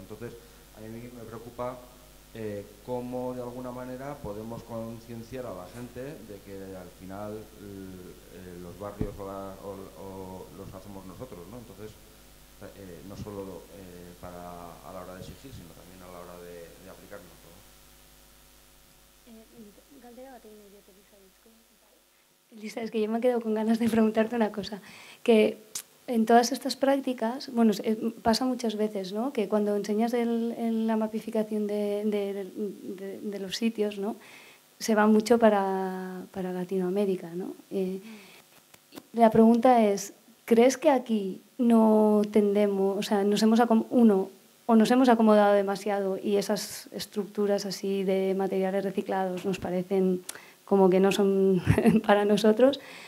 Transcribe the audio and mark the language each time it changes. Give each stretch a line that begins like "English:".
Spanish: Entonces, a mí me preocupa cómo de alguna manera podemos concienciar a la gente de que al final los barrios o los hacemos nosotros, ¿no? Entonces, no solo para a la hora de exigir, sino también a la hora de aplicarlo todo.
Basque: Galdera bat egin nahi dute, Lisa, dizko.
Spanish: Lisa, es que yo me quedo con ganas de preguntarte una cosa. Que en todas estas prácticas, bueno, pasa muchas veces, ¿no? Que cuando enseñas la mapificación de los sitios, ¿no? Se va mucho para Latinoamérica, ¿no? La pregunta es, ¿crees que aquí no tendemos, o sea, nos hemos acomodado demasiado y esas estructuras así de materiales reciclados nos parecen como que no son para nosotros?